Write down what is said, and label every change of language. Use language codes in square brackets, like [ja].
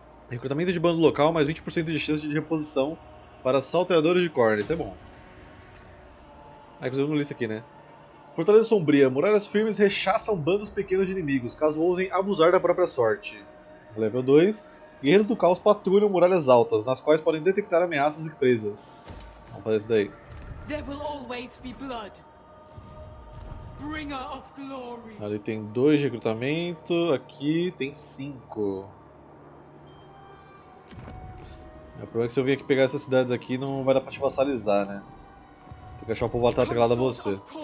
[pt] Recrutamento de bando local, mais 20% de chance de reposição para salteadores de corne. Isso é bom. Aí fizemos uma lista aqui, né? Fortaleza Sombria. Muralhas firmes rechaçam bandos pequenos de inimigos, caso ousem abusar da própria sorte. Level 2. Guerreiros do Caos patrulham muralhas altas, nas quais podem detectar ameaças e presas. Vamos fazer isso daí. [en] There will always be blood. Bringer of glory. [pt] Ali tem 2 de recrutamento, aqui tem 5. O problema é que se eu vir aqui pegar essas cidades aqui, não vai dar pra te vassalizar, né? Tem que achar o povo atrelado a você.